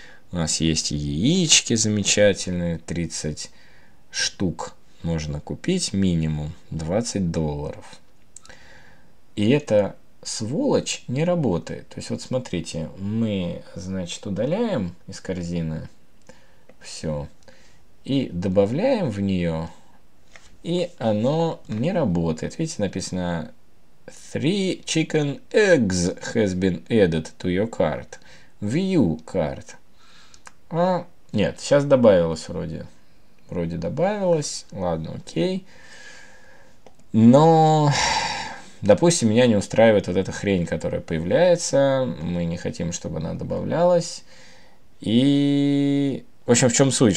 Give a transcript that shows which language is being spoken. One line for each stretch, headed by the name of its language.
Russian: У нас есть яички замечательные, 30 штук можно купить, минимум $20. И эта сволочь не работает. То есть вот смотрите, мы, значит, удаляем из корзины все и добавляем в нее, и оно не работает. Видите, написано
English: 3 chicken eggs has been added to your cart. View cart.
Russian: А, нет, сейчас добавилось вроде. Вроде добавилось. Ладно, окей. Но, допустим, меня не устраивает вот эта хрень, которая появляется. Мы не хотим, чтобы она добавлялась. И, в общем, в чем суть?